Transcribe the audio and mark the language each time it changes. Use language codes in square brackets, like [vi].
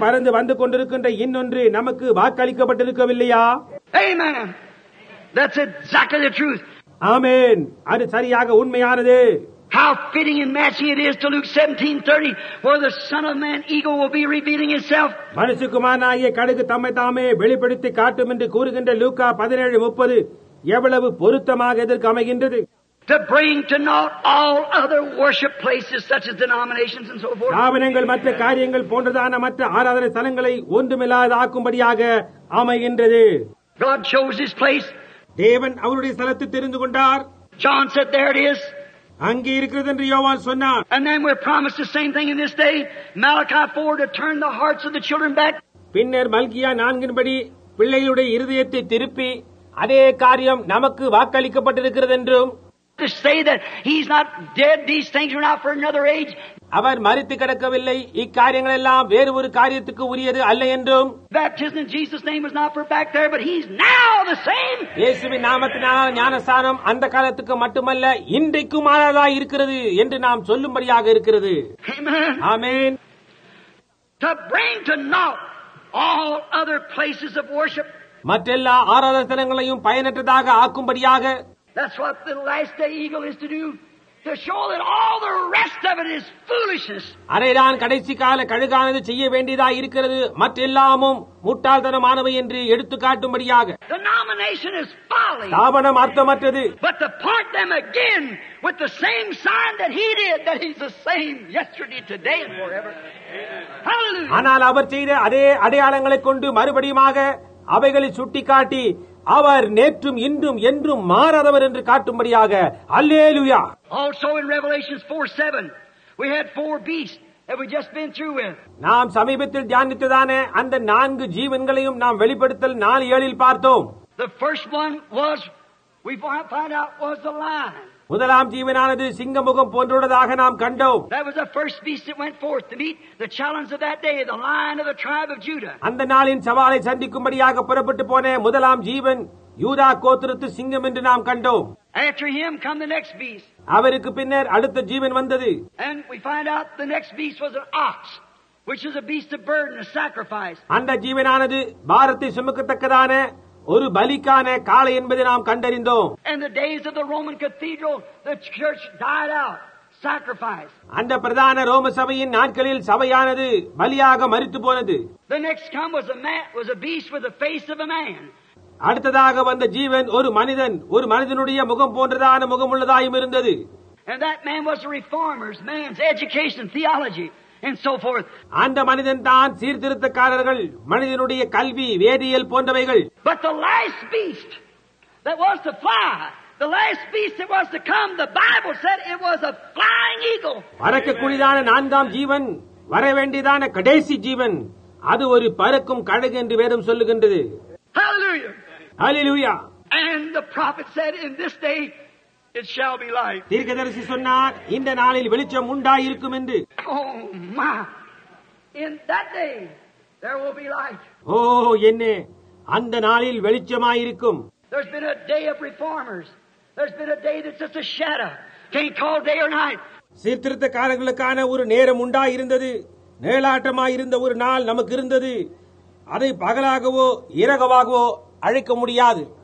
[ta] பறந்து வந்து கொண்டிருக்கின்ற இன்னொன்று நமக்கு வாக்களிக்கப்பட்டிருக்கவில்லையா? [en] Amen. That's exactly the truth. [ta] Amen. அது சரியாக உண்மையானது. [en] How fitting and matching it is to Luke 17:30, where the Son of Man eagle will be revealing himself. [ta] மனுஷகுமாரனாகிய கழுகு தம்மை தாமே வெளிப்படுத்தி காட்டும் என்று கூறுகின்ற லூக்கா 17:30 எவ்வளவு பொருத்தமாக இதற்கு அமைகின்றது. [en] To bring to naught all other worship places such as denominations and so forth. [ta] ஆவணங்கள் மற்ற காரியங்கள் போன்றதான மற்ற ஆராதனை தலங்களை ஒன்றுமில்லாதாக்கும்படியாக அமைகின்றது. [en] God chose his place. [ta] தேவன் அவருடைய ஸ்தலத்தை தெரிந்து கொண்டார். [en] John said, there it is. [ta] அங்கே இருக்கிறது என்று யோவான் சொன்னான். [en] And then we're promised the same thing in this day, Malachi 4, to turn the hearts of the children back. [ta] பின்னர் மல்கியா 4 பிள்ளைகளுடைய இருதயத்தை திருப்பி அதே காரியம் நமக்கு வாக்களிக்கப்பட்டிருக்கிறது என்றும், [en] to say that he's not dead, these things are not for another age. [ta] அவர் மரித்து கிடக்கவில்லை, இக்காரியங்கள் எல்லாம் வேறு ஒரு காரியத்துக்கு உரியது அல்ல என்றும், [en] baptism in Jesus' name is not for back there, but he's now the same. [ta] இயேசுவின் நாமத்தினால் ஞானஸ்தானம் அந்த காலத்துக்கு மட்டுமல்ல இன்றைக்கும் மாறாதா இருக்கிறது என்று நாம் சொல்லும்படியாக இருக்கிறது. [en] Amen. To bring to naught all other places of worship. [ta] மற்றெல்லா ஆராதனைகளையும் பயனற்றதாக ஆக்கும்படியாக. [en] That's what the last day eagle is to do. To show that all the rest of it is foolishness. [ta] அரேடன் கடைசி கால கழுகானது செய்ய வேண்டியதா இருக்கிறது, மற்றெல்லாமும் முட்டாள்தனமானவை என்று எடுத்து காட்டும்படியாக. [en] The nomination is folly. [ta] ஸ்தாபனம் அர்த்தமற்றது. [en] But to part them again with the same sign that he did, that he's the same yesterday, today and forever. Hallelujah. [ta] ஆனால் அவர் செய்த அதே அடையாளங்களைக் கொண்டு மறுபடியுமாக அவைகளை சுட்டிக்காட்டி அவர் நேற்றும் இன்றும் என்றும் மாறாதவர் என்று காட்டும்படியாக. அல்லேலூயா. [en] Also in Revelation 4:7 we had four beasts that we just been through with. [ta] நாம் சமீபத்தில் தியானித்ததான அந்த 4 ஜீவன்களையும் நாம் வெளிப்படுத்தல் 4:7 பார்த்தோம். [en] The first one was, we found out, was the lion. [ta] முதலாம் ஜீவனானது சிங்கமுகம் போன்றுள்ளதாக நாம் கண்டோம். [en] That was the first beast that went forth to meet the challenge of that day, the lion of the tribe of Judah. [ta] அந்த நாளின் சவாலை சந்திக்கும்படியாக புறப்பட்டு போன முதலாம் ஜீவன் யூதா கோத்திரத்து சிங்கம் என்று நாம் கண்டோம். [en] After him come the next beast. [ta] அவருக்கு பின்னர் அடுத்த ஜீவன் வந்தது. [en] And we find out the next beast was an ox, which is a beast of burden, a sacrifice. [ta] அந்த ஜீவனானது பாரத்தை சுமக்கத்தக்கதான ஒரு பலிக்கான காலை என்பதை நாம் கண்டறிந்தோம். [en] And the days of the Roman cathedral, the church died out, sacrifice. [ta] அந்த பிரதான ரோம சபையின் நாட்களில் சபையானது பலியாக மரித்து போனது. [en] The next come was a man, was a beast with the face of a man. [ta] அடுத்ததாக வந்த ஜீவன் ஒரு மனிதன், ஒரு மனிதனுடைய முகம் போன்றதான முகம் உள்ளதாயும் இருந்தது. [en] And that man was a reformer's man's education, theology, and so forth. [ta] அந்த மனிதன் தான் சீர்திருத்தக்காரர்கள் மனிதனுடைய கல்வி வேதியியல் போன்றவைகள். [en] But the last beast that was to fly, the last beast that was to come, the Bible said it was a flying eagle. [ta] பறக்க கூடியதான நான்காம் ஜீவன், வர வேண்டியதான கடைசி ஜீவன், அது ஒரு பறக்கும் கழுகு என்று வேதம் சொல்லுகின்றது. [en] Hallelujah. Hallelujah. And the prophet said in this day it shall be light. [ta] தீர்க்கதரிசி சொன்னார் இந்த நாளில் வெளிச்சம் உண்டாயிருக்கும் என்று. [en] Oh my. In that day there will be light. [ta] ஓ என்னே, அந்த நாளில் வெளிச்சமாயிருக்கும். [en] There's been a day of reformers. There's been a day that's just a shadow. Can't call day or night. [ta] சீர்திருத்தக்காரர்களுக்கான ஒரு நேரம் உண்டாயிருந்தது, நேலாட்டமாயிருந்த ஒரு நாள் நமக்கு இருந்தது, அதை பகலாகவோ இரவாகவோ அழைக்க முடியாது.